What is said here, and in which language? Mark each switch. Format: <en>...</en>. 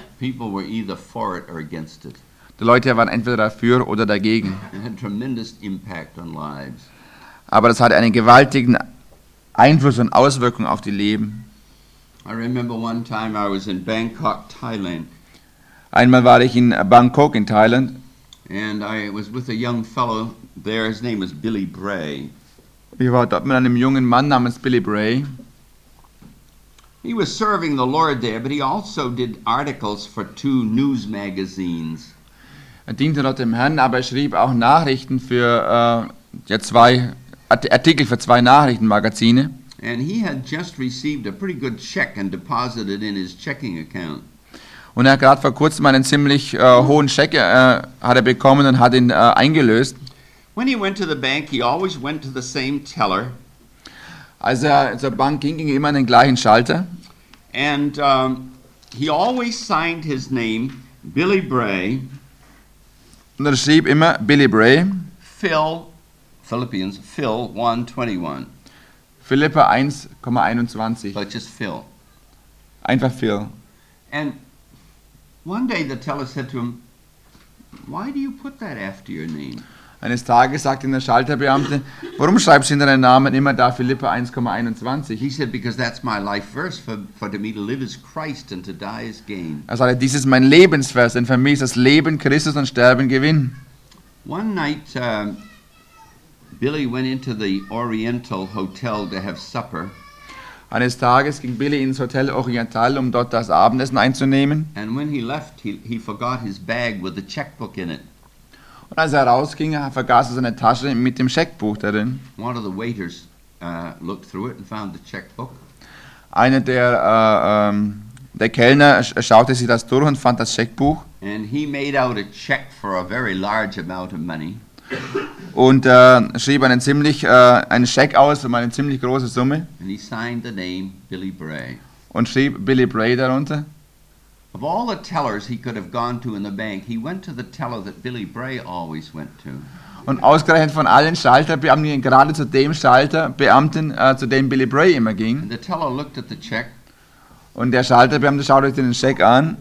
<en>People were either for it or against it.</en> <de>Die Leute waren entweder dafür oder dagegen.</de> <en>It had tremendous impact on lives.</en> <de>Aber das hatte einen gewaltigen Einfluss und Auswirkung auf die Leben.</de> <en>I remember one time I was in Bangkok, Thailand.</en> <de>Einmal war ich in Bangkok in Thailand.</de> <en>And I was with a young fellow there. His name was Billy Bray.</en> <de>Ich war dort mit einem jungen Mann namens Billy Bray.</de> <en>He was serving the Lord there, but he also did articles for 2 news magazines.</en> <de>Er diente dort dem Herrn, aber er schrieb auch Nachrichten für Artikel für 2 Nachrichtenmagazine.</de> <en>And he had just received a pretty good check and deposited in his checking account.</en> <de>Und er hat gerade vor kurzem einen ziemlich hohen Scheck hat er bekommen und hat ihn eingelöst.</de> <en>When he went to the bank, he always went to the same teller.</en> <de>Als er zur Bank ging, ging er immer an den gleichen Schalter.</de> <en>And he always signed his name Billy Bray.</en> <de>Und er schrieb immer Billy Bray.</de> <en>Phil, Philippians, Phil 1:21.</en> <de>Philippa 1,21.</de> <en>But just Phil.</en> <de>Einfach Phil.</de> <en>And one day the teller said to him, "Why do you put that after your name?"</en> <de>Eines Tages sagt ihm der Schalterbeamte, warum schreibst du in deinen Namen immer da Philipper 1,21?</de> <en>He said, because that's my life verse, for to me to live is Christ and to die is gain.</en> <de>Er sagte, dies ist mein Lebensvers, denn für mich ist das Leben Christus und Sterben Gewinn.</de> <en>One night, Billy went into the Oriental Hotel to have supper.</en> <de>Eines Tages ging Billy ins Hotel Oriental, um dort das Abendessen einzunehmen.</de> <en>And when he left, he forgot his bag with the checkbook in it.</en> <de>Und als er rausging, vergaß er seine Tasche mit dem Scheckbuch darin.</de> <en>One of the waiters looked through it and found the checkbook.</en> <de>Einer der der Kellner schaute sich das durch und fand das Scheckbuch.</de> <en>And he made out a check for a very large amount of money.</en> <de>Und schrieb einen Scheck aus um eine ziemlich große Summe.</de> <en>And he signed the name Billy Bray.</en> <de>Und schrieb Billy Bray darunter.</de> <en>Of all the tellers he could have gone to in the bank, he went to the teller that Billy Bray always went to.</en> <de>Und ausgerechnet von allen Schalterbeamten gerade zu dem Schalterbeamten, zu dem Billy Bray immer ging.</de> <en>And the teller looked at the check.</en> <de>Und der Schalterbeamte schaute sich den Scheck an.</de>